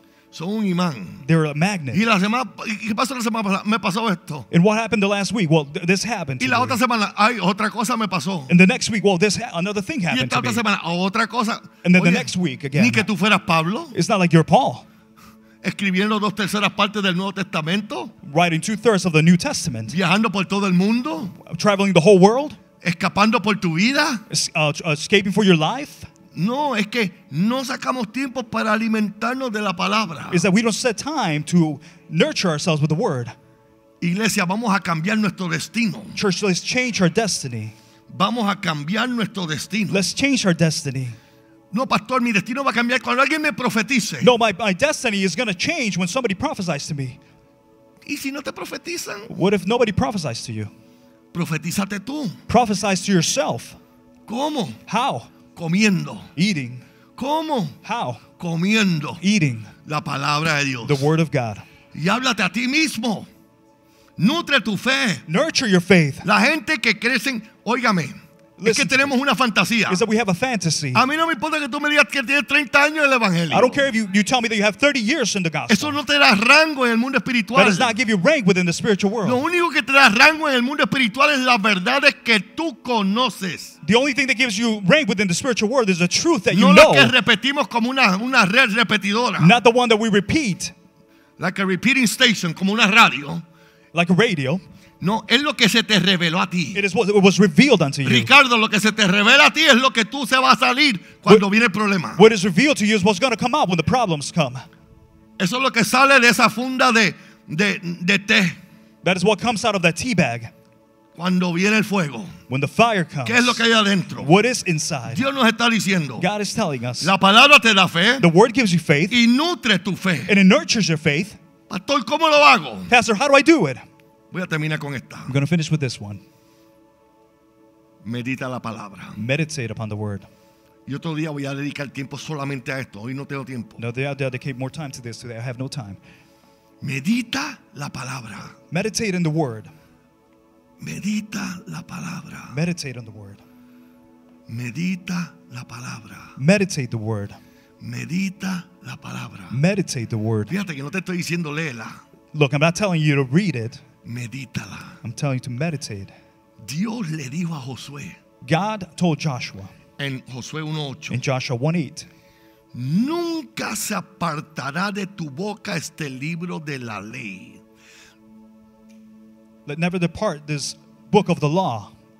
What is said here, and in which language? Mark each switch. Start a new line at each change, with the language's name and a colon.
Spanish: Son un imán.
English: They're a magnet.
Spanish: Y la semana, ¿qué pasó la semana pasada? Me pasó esto.
English: And what happened the last week? Well, this happened.
Spanish: Y la otra semana, ay, otra cosa me pasó.
English: And the next week, well, this another thing happened.
Spanish: Y esta otra semana, otra cosa.
English: And then the next week again.
Spanish: Ni que tú fueras Pablo.
English: It's not like you're Paul.
Spanish: Escribiendo dos terceras partes del Nuevo Testamento.
English: Writing 2/3 of the New Testament.
Spanish: Viajando por todo el mundo.
English: Traveling the whole world.
Spanish: Escapando por tu vida.
English: Escaping for your life.
Spanish: No, es que no sacamos tiempo para alimentarnos de la palabra.
English: Is that we don't set time to nurture ourselves with the word.
Spanish: Iglesia, vamos a cambiar nuestro destino.
English: Church, let's change our destiny.
Spanish: Vamos a cambiar nuestro destino.
English: Let's change our destiny.
Spanish: No, pastor, mi destino va a cambiar cuando alguien me profetice.
English: No, my destiny is going to change when somebody prophesies to me.
Spanish: ¿Y si no te profetizan?
English: What if nobody prophesies to you?
Spanish: Profetízate tú.
English: Prophesize to yourself.
Spanish: ¿Cómo?
English: How?
Spanish: Comiendo.
English: Eating.
Spanish: ¿Cómo?
English: How?
Spanish: Comiendo.
English: Eating.
Spanish: La palabra de Dios.
English: The word of God.
Spanish: Y háblate a ti mismo. Nutre tu fe.
English: Nurture your faith.
Spanish: La gente que crecen, óigame.
English: Listen,
Spanish: es que tenemos una fantasía.
English: Is that we have a fantasy.
Spanish: A mí no me importa que tú me digas que tienes 30 años en el evangelio.
English: I don't care if you tell me that you have 30 years in the gospel.
Spanish: Eso no te da rango en el mundo espiritual.
English: That does not give you rank within the spiritual world.
Spanish: Lo único que te da rango en el mundo espiritual es las verdades que tú conoces.
English: The only thing that gives you rank within the spiritual world is the truth that
Spanish: no
English: you know.
Spanish: No lo que repetimos como una red repetidora.
English: Not the one that we repeat. Like a repeating station,
Spanish: como una radio.
English: Like a radio.
Spanish: No, es lo que se te reveló a ti.
English: It is what was revealed unto you.
Spanish: Ricardo, lo que se te revela a ti es lo que tú se va a salir cuando viene el problema.
English: What is revealed to you is what's going to come out when the problems come.
Spanish: Eso es lo que sale de esa funda de té.
English: That is what comes out of that tea bag.
Spanish: Cuando viene el fuego.
English: When the fire comes.
Spanish: ¿Qué es lo que hay adentro?
English: What is inside?
Spanish: Dios nos está diciendo.
English: God is telling us.
Spanish: La palabra te da fe.
English: The word gives you faith.
Spanish: Y nutre tu fe.
English: And it nurtures your faith.
Spanish: Pastor, ¿cómo lo hago?
English: Pastor, how do I do it?
Spanish: Voy a terminar con esta.
English: I'm going to finish with this one.
Spanish: Medita la palabra.
English: Meditate upon the word.
Spanish: Y otro día voy a dedicar tiempo solamente a esto. Hoy no tengo tiempo.
English: No, I'll dedicate more time to this today. I have no time.
Spanish: Medita la palabra.
English: Meditate in the word.
Spanish: Medita la palabra.
English: Meditate on the word.
Spanish: Medita la palabra.
English: Meditate the word.
Spanish: Medita la palabra.
English: Meditate the word.
Spanish: Fíjate que no te estoy diciendo léela.
English: Look, I'm not telling you to read it.
Spanish: Medítala.
English: I'm telling you to meditate.
Spanish: Dios le dijo a Josué.
English: God told Joshua.
Spanish: En Josué 1:8.
English: In Joshua 1:8.
Spanish: Nunca se apartará de tu boca este libro de la ley.
English: Let never depart this book of the law.